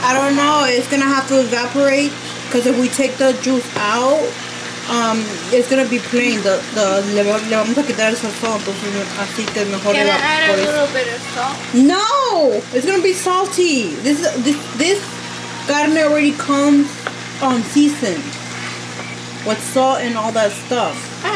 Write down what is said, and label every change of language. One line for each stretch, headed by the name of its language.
English: I don't know, it's gonna have to evaporate, because if we take the juice out, it's gonna be plain.
Spanish: Le vamos a quitar el sazón, entonces así que mejor
English: le va a poner. Can I add a little bit of salt? No! It's gonna be salty. This carne already comes seasoned with salt and all that stuff.